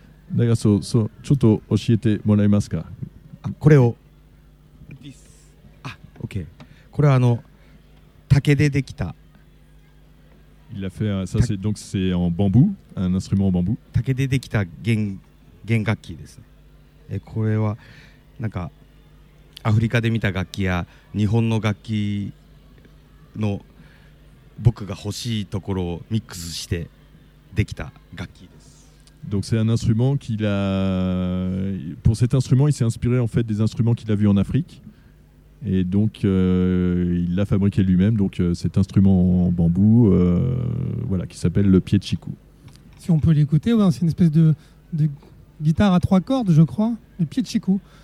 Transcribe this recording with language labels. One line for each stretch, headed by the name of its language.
Japanese: だからそうちょっと教えてもらえますか。あ、これを。
English: This.
Japanese: あ、OK。これはあの竹でできた。
French: Il a fait un, ça c'est donc c'est en bambou, un instrument en bambou。
Japanese: 竹でできた弦楽器です。え、これはなんかアフリカで見た楽器や日本の楽器の僕が欲しいところをミックスしてできた楽器です。
French: Donc c'est un instrument qu'il a... Pour cet instrument, il s'est inspiré en fait des instruments qu'il a vus en Afrique. Et donc, il l'a fabriqué lui-même. Donc cet instrument en bambou, voilà, qui s'appelle le pied de chikou. Si on peut l'écouter, ouais, c'est une espèce de guitare à trois cordes, je crois. Le pied de chikou.